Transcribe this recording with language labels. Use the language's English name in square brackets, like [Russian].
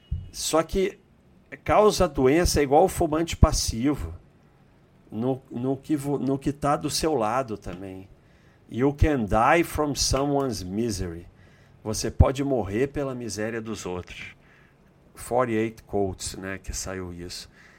[Portuguese] Só que causa doença igual o fumante passivo no que está do seu lado também. [English] You can die from someone's misery. [Portuguese] Você pode morrer pela miséria dos outros. 48 Quotes, né, que saiu isso.